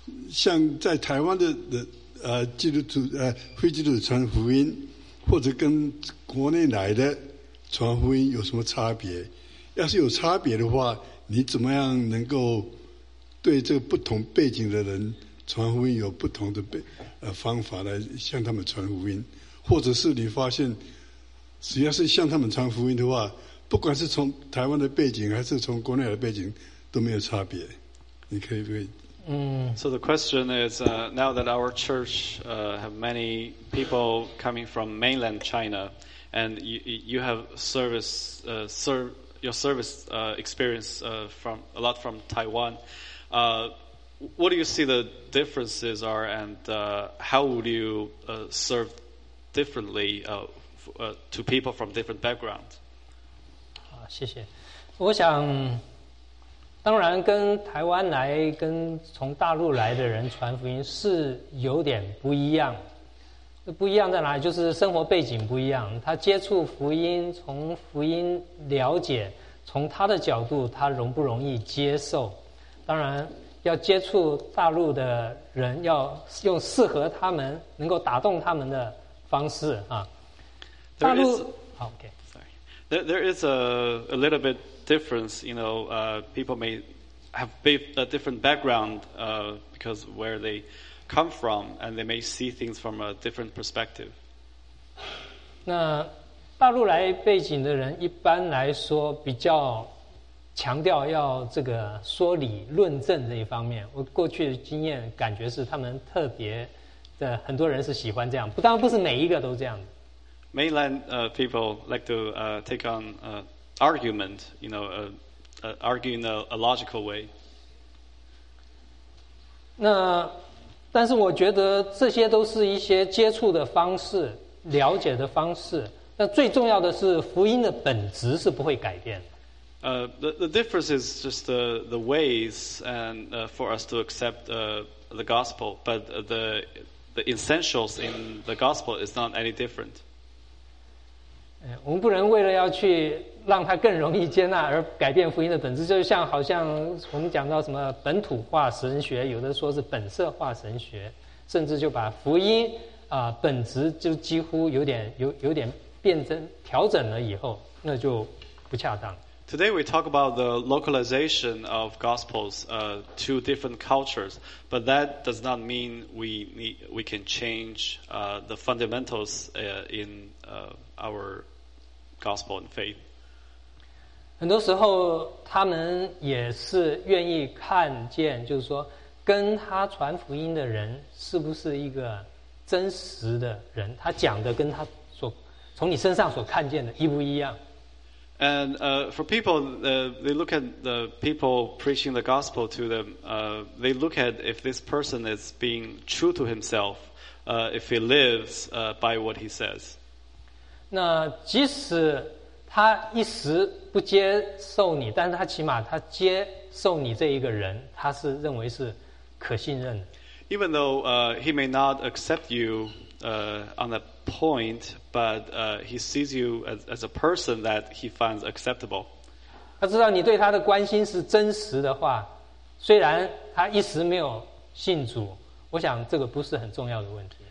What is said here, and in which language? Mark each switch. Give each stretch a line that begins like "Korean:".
Chinese: 像在台湾的基督徒非基督徒传福音或者跟国内来的传福音有什么差别，要是有差别的话，你怎么样能够对这个不同背景的人传福音有不同的方法来向他们传福音，或者是你发现只要是向他们传福音的话，不管是从台湾的背景还是从国内的背景都没有差别，你可以不可以。
English: So the question is, now that our church have many people coming from mainland China, and you have your service experience from Taiwan, what do you see the differences are, and how would you serve differently to people from different backgrounds?
Chinese: 好，谢谢。我想，当然跟台湾来、跟从大陆来的人传福音是有点不一样。不一样在哪里？就是生活背景不一样，他接触福音，从福音了解，从他的角度，他容不容易接受？当然。要接触大陆的人，要用适合他们、能够打动他们的方式啊。大陆
English: okay. Sorry. There is a little bit difference. You know, people may have a different background because where they come from, and they may see things from a different perspective.
Chinese: 那大陆来背景的人，一般来说比较。强调要这个说理论证这一方面，我过去的经验感觉是他们特别的，很多人是喜欢这样，不当然不是每一个都这样的。
English: Mainland people like to take on argument, you know, argue in a logical way.
Chinese: 那但是我觉得这些都是一些接触的方式、了解的方式。那最重要的是福音的本质是不会改变。
English: The difference is just the ways and for us to accept the gospel, but the essentials in the gospel is not any different.
Chinese: 我们不能为了要去让它更容易接纳而改变福音的本质，就像好像我们讲到什么本土化神学，有的说是本色化神学，甚至就把福音本质就几乎有点变成调整了以后，那就不恰当。
English: Today we talk about the localization of gospels to different cultures, but that does not mean we can change the fundamentals in our gospel and faith.
Chinese: 很多时候他们也是愿意看见，就是说跟他传福音的人是不是一个真实的人，他讲的跟他所从你身上所看见的一不一样。
English: And for people, they look at the people preaching the gospel to them. They look at if this person is being true to himself, if he lives by what he says.
Chinese: 那即使他一时不接受你，但是他起码他接受你这一个人，他是认为是可信任的。
English: Even though he may not accept you on that point, but he sees you as a person that he finds acceptable.
Chinese: 他知道你对他的关心是真实的话，虽然他一时没有信主，我想这个不是很重要的问题。